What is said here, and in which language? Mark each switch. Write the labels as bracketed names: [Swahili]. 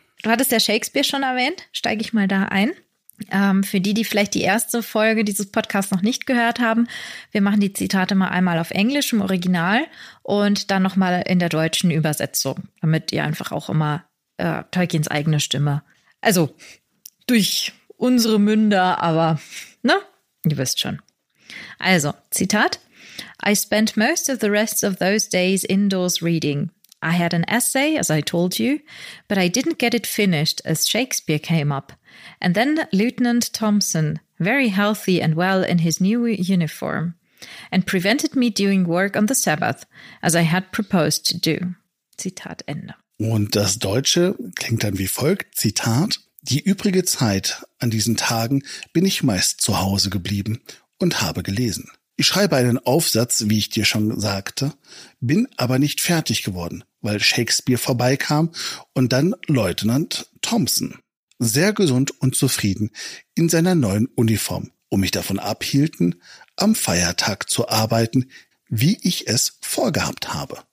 [German] Du hattest ja Shakespeare schon erwähnt, steige ich mal da ein. Für die vielleicht die erste Folge dieses Podcasts noch nicht gehört haben, wir machen die Zitate mal einmal auf Englisch im Original und dann nochmal in der deutschen Übersetzung, damit ihr einfach auch immer Tolkiens eigene Stimme, also durch unsere Münder, aber ne, ihr wisst schon. Also, Zitat. [English] I spent most of the rest of those days indoors reading. I had an essay, as I told you, but I didn't get it finished as Shakespeare came up. And then Lieutenant Thompson, very healthy and well in his new uniform, and prevented me doing work on the Sabbath, as I had proposed to do. [German] Zitat Ende. Und das Deutsche klingt dann wie folgt, Zitat, die übrige Zeit an diesen Tagen bin ich meist zu Hause geblieben und habe gelesen. Ich schreibe einen Aufsatz, wie ich dir schon sagte, bin aber nicht fertig geworden, weil Shakespeare vorbeikam und dann Leutnant Thompson, sehr gesund und zufrieden in seiner neuen Uniform, um mich davon abhielten, am Feiertag zu arbeiten, wie ich es vorgehabt habe.